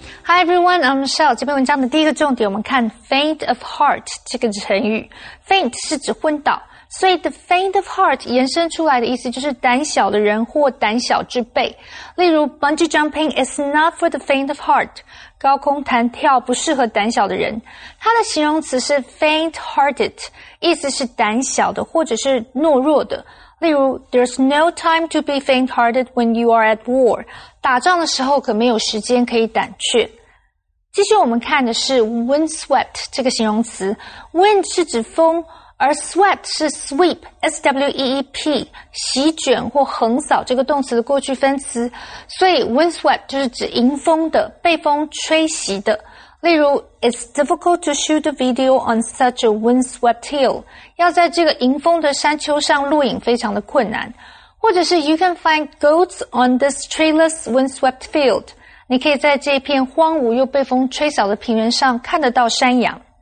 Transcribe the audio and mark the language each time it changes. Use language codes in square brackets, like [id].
[en] Hi everyone, I'm Michelle. [zh] 这篇文章的第一个重点我们看 faint of heart 这个成语。 faint 是指昏倒。所以 the faint of heart 延伸出来的意思就是胆小的人或胆小之辈。例如 [en] bungee jumping is not for the faint of heart. [zh] 高空弹跳不适合胆小的人。它的形容词是 faint hearted, 意思是胆小的或者是懦弱的。例如 [en] there's no time to be faint hearted when you are at war. [zh] 打仗的时候可没有时间可以胆怯。继续我们看的是 windswept 这个形容词。 wind 是指风，而 swept 是 sweep, S-W-E-E-P, 席卷或横扫这个动词的过去分词。所以 windswept 就是指迎风的，被风吹袭的。例如 [en] It's difficult to shoot a video on such a windswept hill. [zh] 要在这个迎风的山丘上录影非常的困难。或者是 [en] you can find goats on this treeless windswept field. [zh] 你可以在这片荒芜又被风吹扫的平原上看得到山羊。